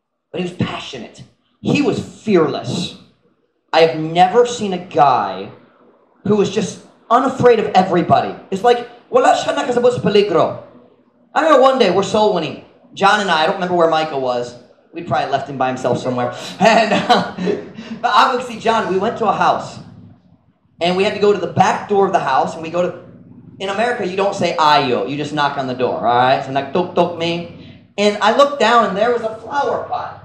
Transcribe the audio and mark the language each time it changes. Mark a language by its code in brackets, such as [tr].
[en] But he was passionate. He was fearless. I have never seen a guy who was just unafraid of everybody. It's like, [ceb] wala siya nakasabot sa peligro. [en] I remember one day, we're soul winning. John and I don't remember where Micah was. We'd probably left him by himself somewhere. But obviously, John, we went to a house. And we had to go to the back door of the house. And we go to... In America, you don't say ayo. You just knock on the door, all right? So, tuk-tuk me. And I looked down, and there was a flower pot.